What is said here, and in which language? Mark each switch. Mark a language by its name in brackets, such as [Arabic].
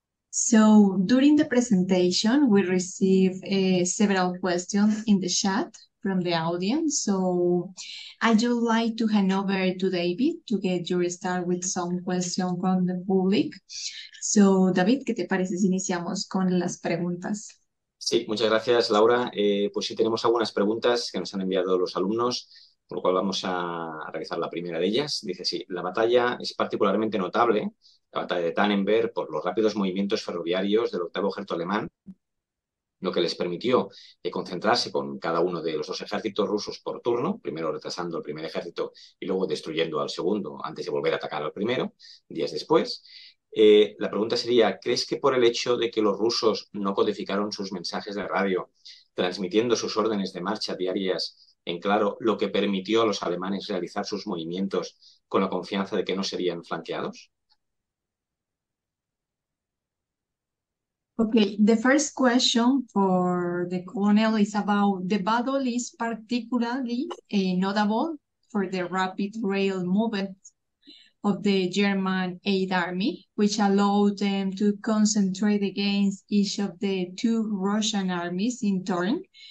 [English] So, during the presentation, we received several questions in the chat from the audience. So I would like to hand over to David to get your start with some questions from the public. [Spanish] So David, ¿qué te parece si iniciamos con las preguntas? Sí, muchas gracias, Laura. Pues sí, tenemos algunas preguntas que nos han enviado los alumnos, por lo cual vamos a realizar la primera de ellas. Dice, sí, la batalla es particularmente notable, la batalla de Tannenberg, por los rápidos movimientos ferroviarios del octavo ejército alemán, lo que les permitió concentrarse con cada uno de los dos ejércitos rusos por turno, primero retrasando el primer ejército y luego destruyendo al segundo antes de volver a atacar al primero, días después. La pregunta sería, ¿crees que por el hecho de que los rusos no codificaron sus mensajes de radio, transmitiendo sus órdenes de marcha diarias en claro, lo que permitió a los alemanes realizar sus movimientos con la confianza de que no serían flanqueados? [English] Okay, the first question for the colonel is about the battle is particularly notable for the rapid rail movement of the German 8th Army, which allowed them to concentrate against each of the two Russian armies in turn.